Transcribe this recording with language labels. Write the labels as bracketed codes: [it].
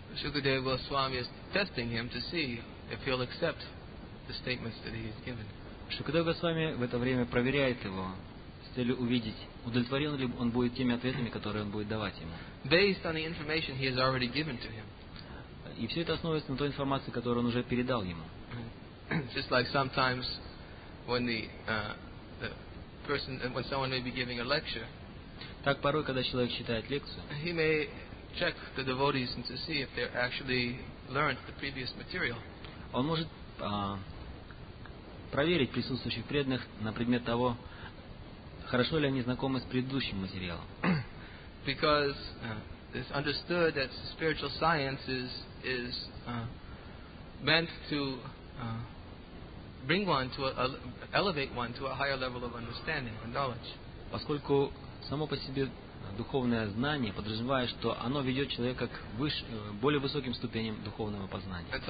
[en] Shukadeva Goswami is testing him to see if he'll accept the statements that he has given. [ru] Shukadeva Goswami в это время проверяет его с целью увидеть, удовлетворен ли он будет теми ответами, которые он будет давать ему. [en] Based on the information he has already given to him. [ru] И все это основывается на той информации, которую он уже передал ему. [en] Just like sometimes when the person, when someone may be giving a lecture. [ru] Так порой, когда человек читает лекцию, [en] he may check the devotees and to see if they actually learned the previous material. [ru] Он может проверить присутствующих преданных на предмет того, хорошо ли они знакомы с предыдущим материалом. [en] Because it's understood that spiritual science is meant to bring one to elevate one to a higher level of understanding and knowledge. [ru] Поскольку само по себе духовное знание подразумевает, что оно ведет человека к более высоким ступеням духовного познания.